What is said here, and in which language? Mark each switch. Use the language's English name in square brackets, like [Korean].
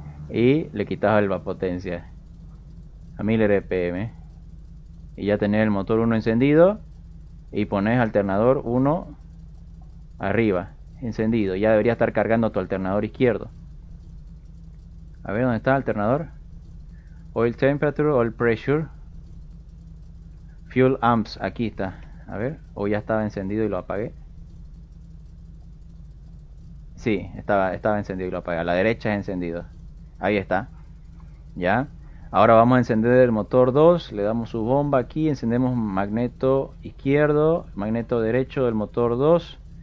[Spanish] Y le quitas la potencia a 1000 RPM y ya tenés el motor 1 encendido y pones alternador 1 arriba. Encendido, ya debería estar cargando tu alternador izquierdo. A ver dónde está el alternador. [English] Oil temperature, oil pressure, fuel amps. [Spanish] Aquí está. A ver, o ya estaba encendido y lo apagué. Sí, estaba encendido y lo apagué. A la derecha es encendido. Ahí está. Ya. Ahora vamos a encender el motor 2. Le damos su bomba aquí. Encendemos magneto izquierdo, magneto derecho del motor 2.